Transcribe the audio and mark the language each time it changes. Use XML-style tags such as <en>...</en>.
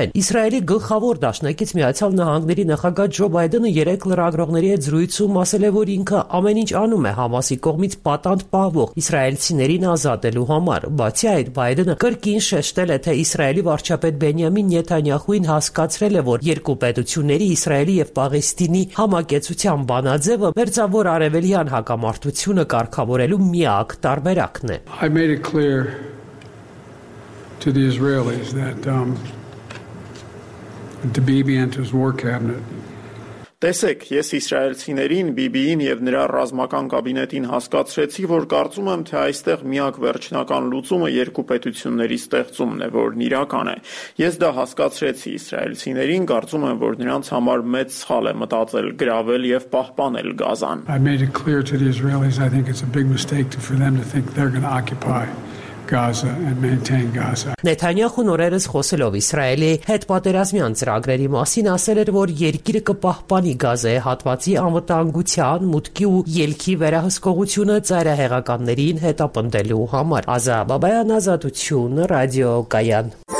<hy>չեն։ Իսրայելի գլխավոր դաշնակից Միացյալ Նահանգների նախագահ Ջո Բայդենը երեք լրագրողների հետ զրույցում ասել է, որ ինքը ամեն ինչ անում է Համասի կողմից պատանդ պահվող իսրայելցիներին ազատելու համար։ Բացի այդ, Բայդենը կրկին շեշտել է, թե իսրայելի վարչապետ Բենյամին Նեթանյահուին հասկացրել է, որ երկու պետությունների, իսրայելի և պաղեստինի համակետ ցության բանաձևը մերձավոր արևելյան հակամարտությունը կարգավորելու միակ տարբերակն է։</hy> <en>I made it clear to the Israelis that to Bibi and his war cabinet.</en> <hy>Տեսեք, ես իսրայելցիներին, Բիբիին եւ նրա ռազմական կաբինետին հասկացրեցի, որ կարծում եմ, թե այստեղ միակ վերջնական լուծումը երկու պետությունների ստեղծումն է, որն իրական է։ Ես դա հասկացրեցի իսրայելցիներին, կարծում եմ, որ նրանց համար մեծ սխալ է մտածել գրավել եւ պահպանել Գազան։</hy> <en>I made it clear to the Israelis, I think it's a big mistake for them to think they're going to occupy Gaza and maintain Gaza.</en> <hy>Netanyahu-ն օրերս խոսելով Իսրայելի հետ պատերազմի անձրագրերի մասին ասել էր, որ երկիրը կպահպանի Գազայի հատվածի անվտանգության, մուտքի ու ելքի վերահսկողությունը ծայրահեղականներին հետապնդելու համար։ Ազա Բաբայան, Ազատություն, Ռադիո Կայան։</hy>